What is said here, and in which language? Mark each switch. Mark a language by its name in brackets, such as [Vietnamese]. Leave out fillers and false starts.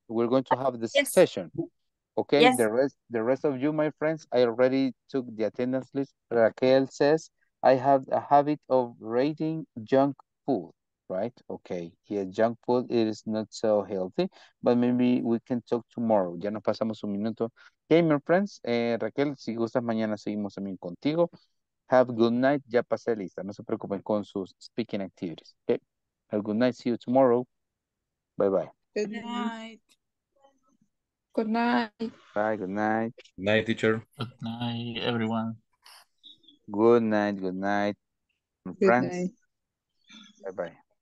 [English] We're going to have the session. Okay, yes. the rest of you, my friends, I already took the attendance list. Raquel says, I have a habit of rating junk food, right? Okay, yeah, junk food is not so healthy, but maybe we can talk tomorrow. [Spanish] Ya nos pasamos un minuto. [English] Hey, my friends, [Spanish] Raquel, si gustas, mañana seguimos también contigo. [English] Have a good night. [Spanish] Ya pasé lista. No se preocupen con sus [English] speaking activities. Okay, have a good night. See you tomorrow. Bye-bye. Good night. Good night. Bye, good night. Good night, teacher. Good night, everyone. Good night, my friends. Bye-bye.